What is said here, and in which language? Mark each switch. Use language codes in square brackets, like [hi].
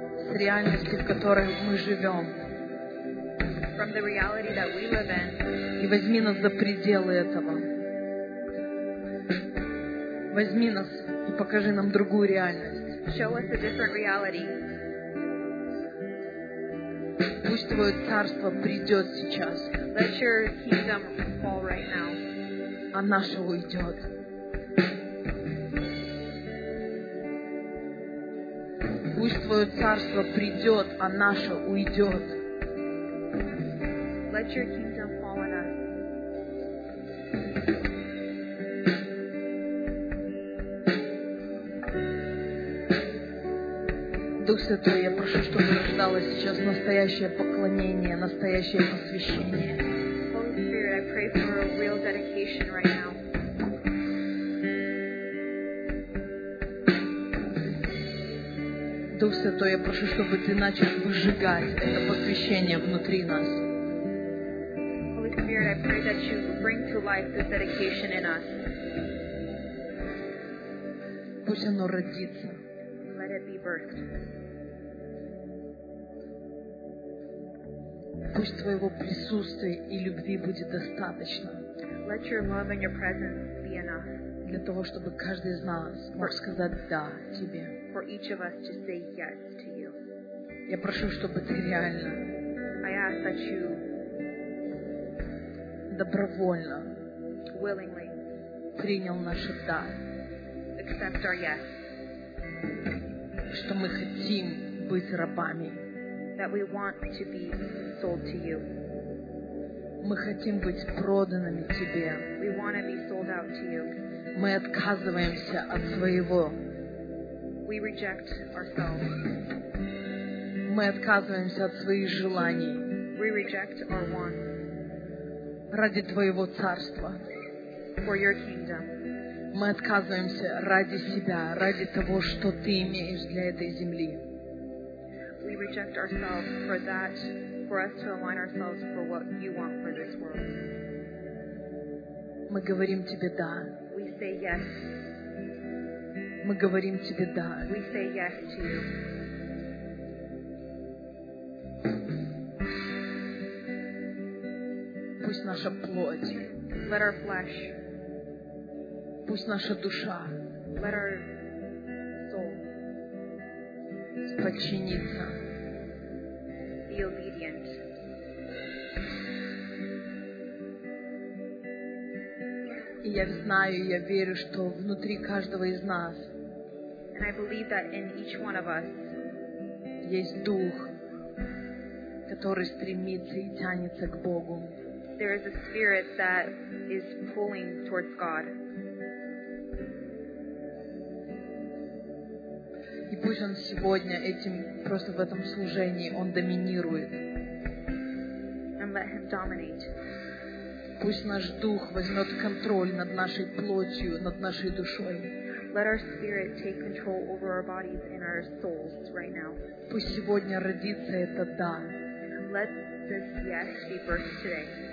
[ru] С реальности, в которой мы живем. [en] From the reality that we live in. [ru] И возьми нас за пределы этого. Возьми нас и покажи нам другую реальность. [en] Show us a different reality. [ru] Пусть твое царство придет сейчас. [en] Let your kingdom fall right now. [ru] А наше уйдет. Пусть твое царство придет, а наше уйдет. [en] Let your kingdom fall on us. [ru] Дух Святой, я прошу, чтобы рождалось сейчас настоящее поклонение, настоящее посвящение. [en] Holy Spirit, I pray for a real dedication right now. [ru] Дух Святой, я прошу, чтобы ты начал выжигать это посвящение внутри нас. [en] Holy Spirit, I pray that you bring to life this dedication in us. [ru] Пусть оно родится. [en] Let it be birthed. [ru] Пусть твоего присутствия и любви будет достаточно. [en] Let your love and your presence be enough. [ru] Для того, чтобы каждый из нас мог сказать «да» тебе. [en] For each of us to say yes to you. [ru] Я прошу, чтобы ты реально. [en] I ask that you [ru] добровольно, [en] willingly [ru] принял наше да. [en] Accept our yes. [ru] Что мы хотим быть рабами. [en] That we want to be sold to you. [ru] Мы хотим быть проданными тебе. [en] We want to be sold out to you. [ru] Мы отказываемся от своего. [en] We reject ourselves. [ru] Мы отказываемся от своих желаний. [en] We reject our wants. [ru] ради Твоего царства. [en] For your kingdom. [ru] Мы отказываемся ради себя, ради того, что Ты имеешь для этой земли. [en] We reject ourselves for that, for us to align ourselves for what You want for this world. [ru] Мы говорим Тебе да. [en] We say yes. [ru] Мы говорим Тебе да. [en] We say yes to You. [ru] Пусть наша плоть. [en] Let our flesh. [ru] Пусть наша душа. [en] Let our soul. [ru] Подчиниться. [en] Be obedient. [ru] И я знаю, я верю, что внутри каждого из нас. [en] And I believe that in each one of us. [ru] Есть дух, который стремится и тянется к Богу. [en] There is a spirit that is pulling towards God. [ru] И пусть он сегодня этим, просто в этом служении, он доминирует. [en] And let him dominate. [ru] Пусть наш дух возьмет контроль над нашей плотью, над нашей душой. [en] Let our spirit take control over our bodies and our souls right now. [ru] Пусть сегодня родится это «да». [en] Let this yes be birthed today.